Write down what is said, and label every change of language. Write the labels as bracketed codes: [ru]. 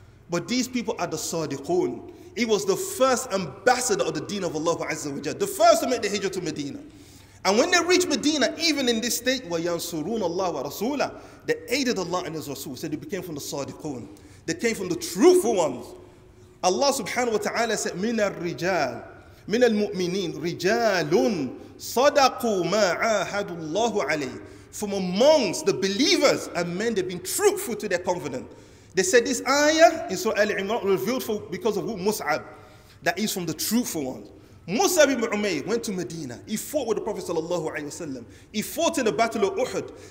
[en] But these people are the Sadiqoon. He was the first ambassador of the deen of Allah Azza wa Jalla, the first to make the hijrah to Medina. And when they reached Medina, even in this state, [ar] وَيَنْصُرُونَ اللَّهَ وَرَسُولَهُ, [en] they aided Allah and His Rasul. So they became from the Sadiqoon. They came from the truthful ones. Allah subhanahu wa ta'ala said, [ar] مِنَ الرِّجَالِ مِنَ الْمُؤْمِنِينَ رِجَالٌ صَدَقُوا مَا عَاهَدُ اللَّهُ عَلَيْهِ. [en] From amongst the believers and men, they've been truthful to their covenant. They said this ayah in Surah Al-Imran revealed for, because of who? Mus'ab. That is from the truthful ones. Mus'ab ibn Umayr went to Medina. He fought with the Prophet sallallahu alayhi wa sallam. He fought in the Battle of Uhud.